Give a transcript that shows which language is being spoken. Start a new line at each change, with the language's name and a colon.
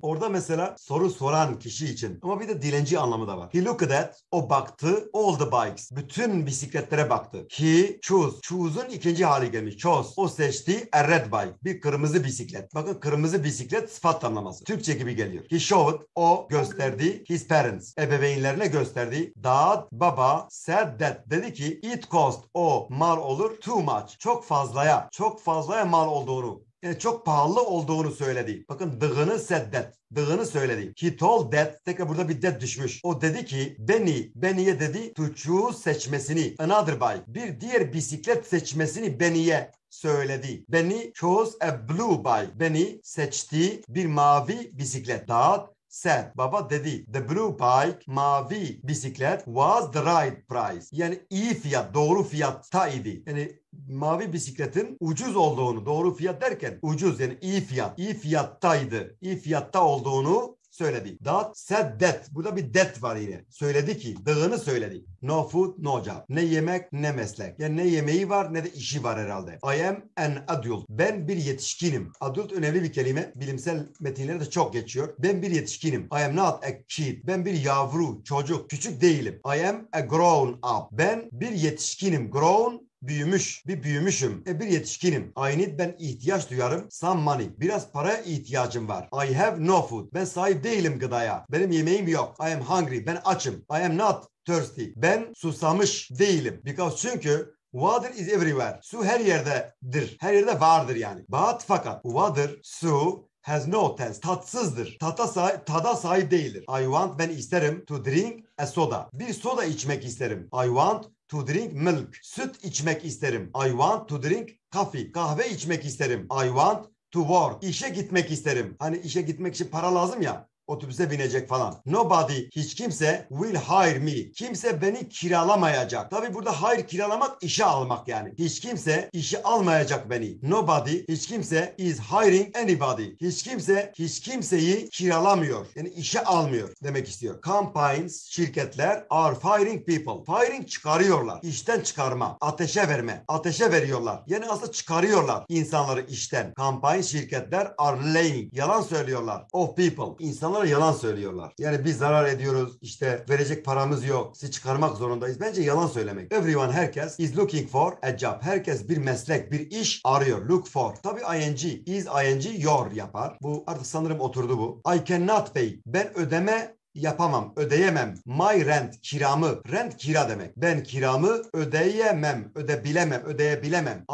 Turkish: Orada mesela soru soran kişi için. Ama bir de dilenci anlamı da var.
English: He looked at,
Turkish: o baktı,
English: all the bikes.
Turkish: Bütün bisikletlere baktı.
English: He chose.
Turkish: Choose'un ikinci hali gelmiş. Chose. O seçti
English: a red bike.
Turkish: Bir kırmızı bisiklet. Bakın kırmızı bisiklet sıfat tamlaması. Türkçe gibi geliyor.
English: He showed,
Turkish: o gösterdi
English: his parents.
Turkish: Ebeveynlerine gösterdi. Dad, baba,
English: said that,
Turkish: dedi ki
English: it cost,
Turkish: o mal olur,
English: too much,
Turkish: çok fazlaya, çok fazlaya mal olduğunu, yani çok pahalı olduğunu söyledi. Bakın dığını
English: said that,
Turkish: dığını söyledi.
English: He told that,
Turkish: tekrar burada bir that düşmüş. O dedi ki Benny, Benny'ye dedi
English: to choose,
Turkish: seçmesini,
English: another bike,
Turkish: bir diğer bisiklet seçmesini Benny'ye söyledi.
English: Benny chose a blue bike.
Turkish: Benny seçti bir mavi bisiklet.
English: Dad said,
Turkish: baba dedi,
English: the blue bike,
Turkish: mavi bisiklet,
English: was the right price.
Turkish: Yani iyi fiyat, doğru fiyatta idi. Yani mavi bisikletin ucuz olduğunu, doğru fiyat derken ucuz, yani iyi fiyat, iyi fiyattaydı, iyi fiyatta olduğunu söyledi.
English: Dad said that.
Turkish: Burada bir that var yine. Söyledi ki, dığını söyledi.
English: No food, no job.
Turkish: Ne yemek, ne meslek. Yani ne yemeği var, ne de işi var herhalde.
English: I am an adult.
Turkish: Ben bir yetişkinim. Adult önemli bir kelime. Bilimsel metinlerde de çok geçiyor. Ben bir yetişkinim.
English: I am not a kid.
Turkish: Ben bir yavru, çocuk, küçük değilim.
English: I am a grown up.
Turkish: Ben bir yetişkinim. Grown, büyümüş, bir büyümüşüm. Bir yetişkinim.
English: I need,
Turkish: ben ihtiyaç duyarım.
English: Some money,
Turkish: biraz paraya ihtiyacım var.
English: I have no food,
Turkish: ben sahip değilim gıdaya. Benim yemeğim yok.
English: I am hungry,
Turkish: ben açım.
English: I am not thirsty,
Turkish: ben susamış değilim.
English: Because,
Turkish: çünkü
English: water is everywhere.
Turkish: Su her yerdedir. Her yerde vardır yani.
English: But,
Turkish: fakat
English: water,
Turkish: su
English: has no taste.
Turkish: Tatsızdır. Tada sahip değildir.
English: I want,
Turkish: ben isterim
English: to drink a soda.
Turkish: Bir soda içmek isterim.
English: I want to drink milk.
Turkish: Süt içmek isterim.
English: I want to drink coffee.
Turkish: Kahve içmek isterim.
English: I want to work.
Turkish: İşe gitmek isterim. Hani işe gitmek için para lazım ya. Otobüse binecek falan.
English: Nobody,
Turkish: hiç kimse,
English: will hire me.
Turkish: Kimse beni kiralamayacak. Tabii burada hire, kiralamak, işe almak yani. Hiç kimse işe almayacak beni.
English: Nobody,
Turkish: hiç kimse,
English: is hiring anybody.
Turkish: Hiç kimse, hiç kimseyi kiralamıyor. Yani işe almıyor demek istiyor.
English: Companies,
Turkish: şirketler,
English: are firing people.
Turkish: Firing, çıkarıyorlar. İşten çıkarma, ateşe verme. Ateşe veriyorlar. Yani aslında çıkarıyorlar insanları işten.
English: Companies,
Turkish: şirketler,
English: are lying.
Turkish: Yalan söylüyorlar.
English: Of people.
Turkish: İnsanlara yalan söylüyorlar. Yani biz zarar ediyoruz, işte verecek paramız yok, sizi çıkarmak zorundayız. Bence yalan söylemek.
English: Everyone, herkes, is looking for a job.
Turkish: Herkes bir meslek, bir iş arıyor.
English: Look for.
Turkish: Tabii ing, is ing, your yapar. Bu artık sanırım oturdu bu.
English: I cannot pay.
Turkish: Ben ödeme yapamam, ödeyemem.
English: My rent,
Turkish: kiramı. Rent, kira demek. Ben kiramı ödeyemem, ödebilemem, ödeyebilemem.